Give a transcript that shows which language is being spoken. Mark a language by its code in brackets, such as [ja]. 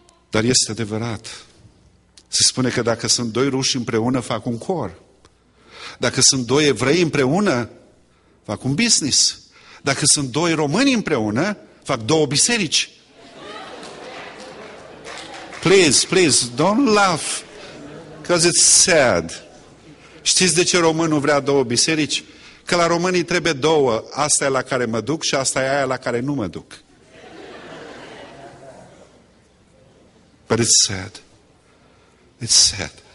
[ro] Dar este adevărat. Se spune că dacă sunt doi ruși împreună, fac un cor. Dacă sunt doi evrei împreună, fac un business. Dacă sunt doi români împreună, fac două biserici. [en] Please, please, don't laugh, because it's sad. [ro] Știți de ce românul vrea două biserici? Că la românii trebuie două. Asta e la care mă duc și asta e aia la care nu mă duc. [en] But it's sad. It's sad.